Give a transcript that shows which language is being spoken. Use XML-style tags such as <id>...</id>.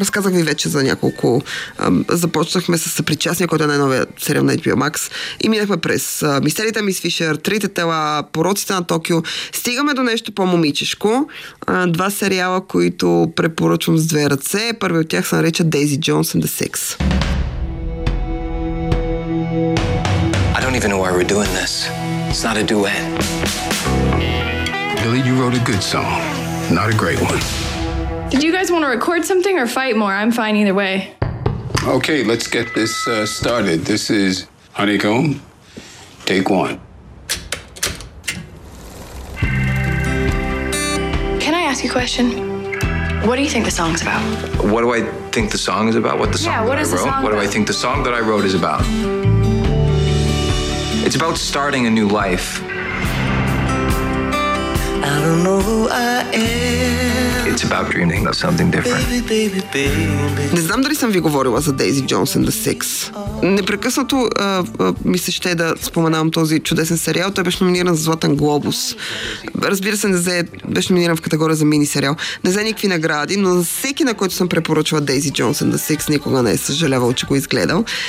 <bg>Разказах ви вече за няколко. Започнахме с Съпричастния, който е най-новия сериал на HBO Max. И минахме през Мистерията Мис Фишер, Трите тела, Пороците на Токио. Стигаме до нещо по-момичешко. Два сериала, които препоръчвам с две ръце. Първи от тях се нарича Daisy Jones and the Six.</bg> <en>I don't even know why we're doing this. It's not a duet. Billy, you wrote a good song, not a great one. Did you guys want to record something or fight more? I'm fine either way. Okay, let's get this started. This is Honeycomb, take one. Can I ask you a question? What do you think the song's about? What do I think the song is about? What the song that I wrote? Yeah, what do I think the song that I wrote is about? It's about starting a new life. I don't know who I am. It's about dreaming of something different. Baby, baby, baby.</en> <bg>Не знам дали съм ви говорила за Daisy Jones and the Six. Непрекъснато ми се ще да споменавам този чудесен сериал. Той беше номиниран за Златен глобус. Разбира се, беше номиниран в категория за мини сериал. Не взе никакви награди, но за всеки, на който съм препоръчвала Daisy Jones and the Six, никога не е съжалявал, че го изгледал.</bg>